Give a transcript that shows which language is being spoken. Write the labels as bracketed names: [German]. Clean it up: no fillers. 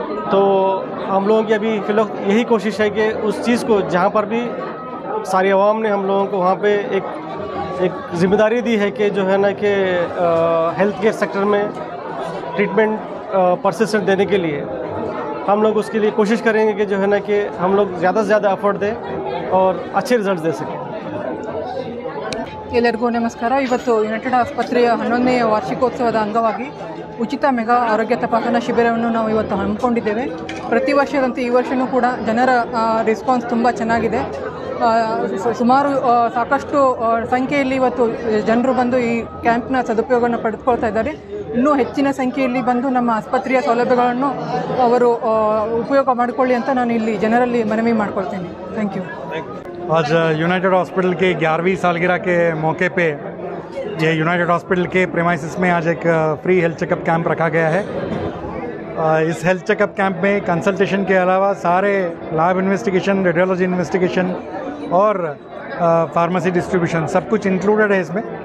[Hindi] तो हम लोगों की अभी फिलहाल यही कोशिश है कि उस चीज़ को जहां पर भी सारी आवाम ने हम लोगों को वहां पे एक एक जिम्मेदारी दी है कि जो है ना कि हेल्थ केयर सेक्टर में ट्रीटमेंट परसिस्टेंट देने के लिए हम लोग उसके लिए कोशिश करेंगे कि जो है ना कि हम लोग ज़्यादा से ज़्यादा एफर्ट दें और अच्छे रिजल्ट दे सकें। [Kannada] ಎಲ್ಲರಿಗೂ ನಮಸ್ಕಾರ. ಇವತ್ತು ಯುನೈಟೆಡ್ ಆಸ್ಪತ್ರೆಯ 11ನೇ ವಾರ್ಷಿಕೋತ್ಸವದ ಅಂಗವಾಗಿ ಉಚಿತ ಮೆಗಾ ಆರೋಗ್ಯ ತಪಾಸಣಾ ಶಿಬಿರವನ್ನು ನಾವು ಇವತ್ತು ಹಮ್ಮಿಕೊಂಡಿದ್ದೇವೆ. ಪ್ರತಿ ವರ್ಷದಂತೆ ಈ ವರ್ಷವೂ ಕೂಡ ಜನರ ರೆಸ್ಪಾನ್ಸ್ ತುಂಬ ಚೆನ್ನಾಗಿದೆ. ಸುಮಾರು ಸಾಕಷ್ಟು ಸಂಖ್ಯೆಯಲ್ಲಿ ಇವತ್ತು ಜನರು ಬಂದು ಈ ಕ್ಯಾಂಪ್ನ ಸದುಪಯೋಗವನ್ನು ಪಡೆದುಕೊಳ್ತಾ ಇದ್ದಾರೆ. ಇನ್ನೂ ಹೆಚ್ಚಿನ ಸಂಖ್ಯೆಯಲ್ಲಿ ಬಂದು ನಮ್ಮ ಆಸ್ಪತ್ರೆಯ ಸೌಲಭ್ಯಗಳನ್ನು ಅವರು ಉಪಯೋಗ ಮಾಡಿಕೊಳ್ಳಿ ಅಂತ ನಾನು ಇಲ್ಲಿ ಜನರಲ್ಲಿ ಮನವಿ ಮಾಡ್ಕೊಳ್ತೀನಿ. [English] Thank you. [Hindi] आज यूनाइटेड हॉस्पिटल के 11वीं सालगिरह के मौके पे ये यूनाइटेड हॉस्पिटल के प्रेमाइसिस में आज एक फ्री हेल्थ चेकअप कैंप रखा गया है. इस हेल्थ चेकअप कैंप में कंसल्टेशन के अलावा सारे लैब इन्वेस्टिगेशन, रेडियोलॉजी इन्वेस्टिगेशन और फार्मेसी डिस्ट्रीब्यूशन सब कुछ इंक्लूडेड है इसमें.